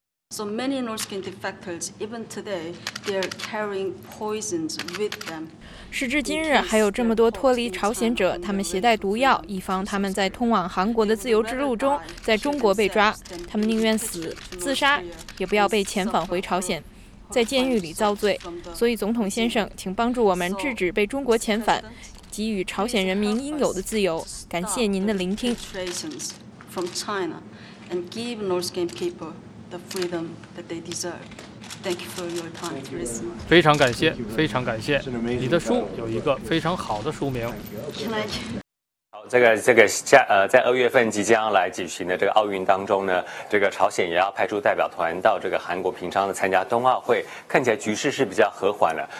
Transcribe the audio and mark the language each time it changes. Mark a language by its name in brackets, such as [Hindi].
[English] So many North Korean defectors, even today, they're carrying poisons with them. [Chinese] 时至今日，还有这么多脱离朝鲜者，他们携带毒药，以防他们在通往韩国的自由之路中，在中国被抓。他们宁愿死、自杀，也不要被遣返回朝鲜，在监狱里遭罪。所以，总统先生，请帮助我们制止被中国遣返，给予朝鲜人民应有的自由。感谢您的聆听。 [English] From China, and give North Korean people. The freedom that they deserve. Thank you for your time to listen. [Chinese] 非常感谢，非常感谢。你的书有一个非常好的书名。在二月份即将来举行的这个奥运当中呢，这个朝鲜也要派出代表团到这个韩国平昌的参加冬奥会，看起来局势是比较和缓了。